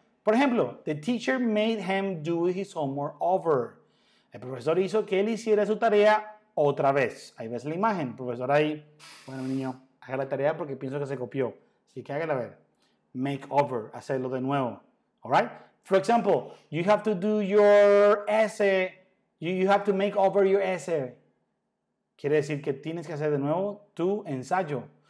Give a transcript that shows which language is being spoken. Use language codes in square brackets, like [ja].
[es] Por ejemplo, [en] the teacher made him do his homework over. [es] El profesor hizo que él hiciera su tarea otra vez. Ahí ves la imagen. Profesor ahí, bueno, niño, haga la tarea porque pienso que se copió. Así que hágala ver. Make over, hacerlo de nuevo. All right? [en] For example, you have to do your essay. You have to make over your essay. [es] Quiere decir que tienes que hacer de nuevo tu ensayo.